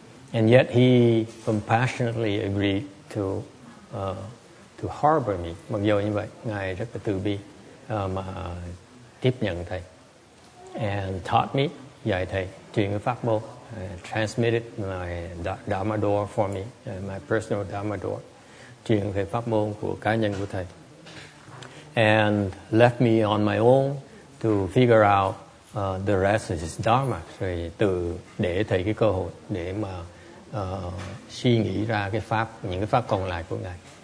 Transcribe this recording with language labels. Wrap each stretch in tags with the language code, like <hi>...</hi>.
<en>And yet he compassionately agreed to harbor me.</en> <vi>Mặc dù như vậy, Ngài rất là từ bi mà tiếp nhận thầy.</vi> <en>And taught me,</en> <vi>dạy thầy, truyền cái pháp môn,</vi> <en>transmitted my Dharma door</en> <vi>for me, my personal Dharma door, truyền cái pháp môn của cá nhân của thầy.</vi> <en>And left me on my own to figure out the rest of his dharma.</en> <vi>So từ để thầy cái cơ hội để mà suy nghĩ ra cái pháp, những cái pháp còn lại của ngài.</vi>